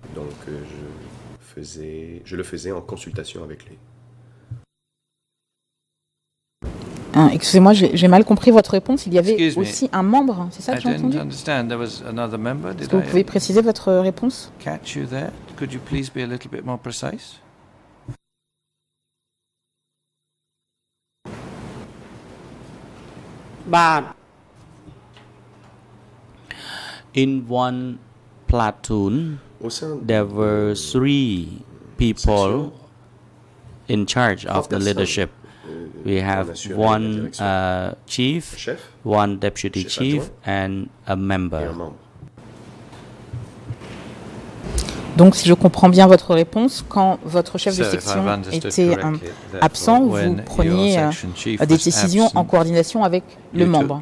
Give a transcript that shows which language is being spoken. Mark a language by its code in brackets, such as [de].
[fr] Donc je le faisais en consultation avec lui. Excusez-moi, j'ai mal compris votre réponse. Il y avait aussi un membre, c'est ça que j'ai entendu? [en] Understand. There was another member. [fr] Est-ce que vous pouvez préciser votre réponse? [en] Catch you there. Could you please be a little bit more precise? But in one platoon, there were three people in charge of the leadership. We have one chief, one deputy chief, and a member. [fr] Donc, si je comprends bien votre réponse, quand votre chef de section était absent, vous preniez des décisions en coordination avec le membre,